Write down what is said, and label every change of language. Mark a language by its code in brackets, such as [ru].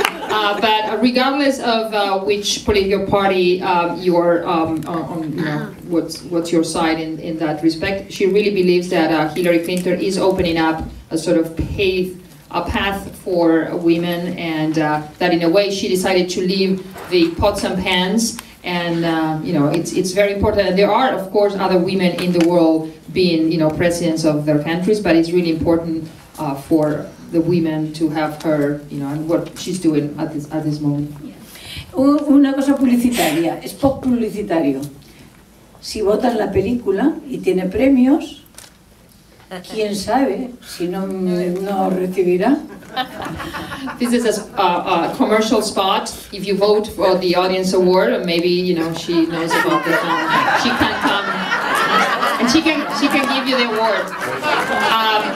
[en] But regardless of which political party you are on, you know, what's your side in that respect, she really believes that Hillary Clinton is opening up a sort of path for women, and that in a way she decided to leave the pots and pans. And you know, it's very important. And there are, of course, other women in the world being, you know, presidents of their countries. But it's really important for the women to have her, you know, and what she's doing at this moment. Yeah. [es] Una cosa publicitaria, es post publicitario. Si votas la película y tiene premios, quién sabe si no recibirá. [en] This is a commercial spot. If you vote for the audience award, maybe, you know, she knows about it. She can come and she can give you the award.